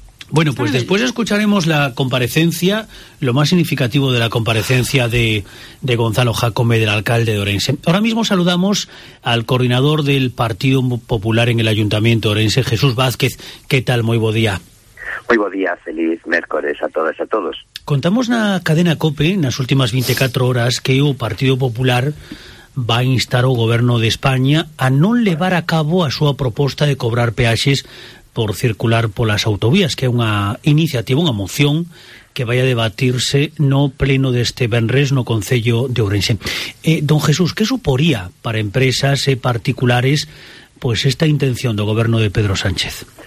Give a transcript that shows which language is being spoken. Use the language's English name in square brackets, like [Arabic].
[Spanish] Bueno, pues después escucharemos la comparecencia, lo más significativo de la comparecencia de Gonzalo Jácome, del alcalde de Ourense. Ahora mismo saludamos al coordinador del Partido Popular en el Ayuntamiento de Ourense, Jesús Vázquez. ¿Qué tal? Muy buen día. Muy buen día. Feliz miércoles a todas y a todos. Contamos la cadena COPE, en las últimas 24 horas, que el Partido Popular va a instar al Gobierno de España a no llevar a cabo [Galician] a súa proposta de cobrar peaxes por circular polas autovías, que é unha iniciativa, unha moción que vai a debatirse no pleno deste venres no Concello de Ourense. Don Jesús, que suporía para empresas e particulares pues esta intención do goberno de Pedro Sánchez?